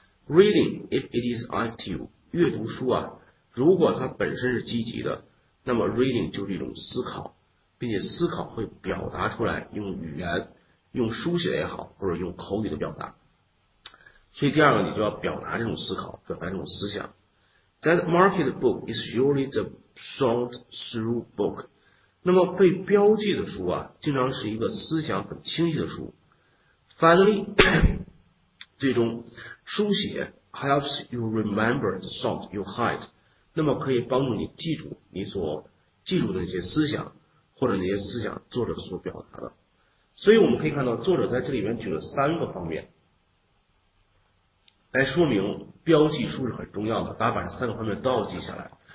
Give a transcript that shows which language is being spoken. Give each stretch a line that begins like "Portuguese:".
English: Reading, if it is active,
Chinese: 阅读书啊，如果它本身是积极的，那么 reading 就是一种思考，并且思考会表达出来，用语言，用书写也好，或者用口语的表达。所以第二个，你就要表达这种思考，表达这种思想。
English: That marked book is usually the thought through book.
Chinese: 那么被标记的书啊，经常是一个思想很清晰的书。
English: Finally,
Chinese: 最终，书写
English: helps you remember the thought you hide.
Chinese: 那么可以帮助你记住你所记住的那些思想，或者那些思想作者所表达的。所以我们可以看到，作者在这里面举了三个方面来说明标记书是很重要的，大家把这三个方面都要记下来。